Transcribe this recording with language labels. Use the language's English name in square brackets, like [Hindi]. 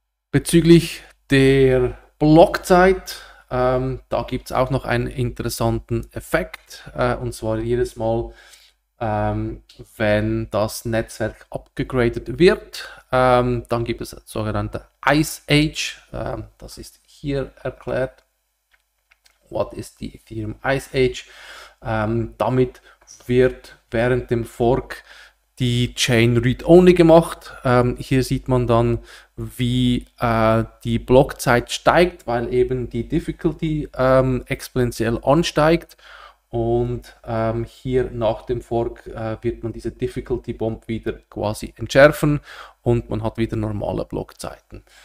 [German] Bezüglich der Blockzeit, da gibt es auch noch einen interessanten Effekt, und zwar jedes Mal, wenn das Netzwerk abgegradet wird, dann gibt es sogenannte Ice Age. Das ist hier erklärt. [English] What is the Ethereum Ice Age? [German] Damit wird während dem Fork die Chain Read-Only gemacht. Hier sieht man dann, wie die Blockzeit steigt, weil eben die Difficulty exponentiell ansteigt. Und hier nach dem Fork wird man diese Difficulty Bomb wieder quasi entschärfen und man hat wieder normale Blockzeiten.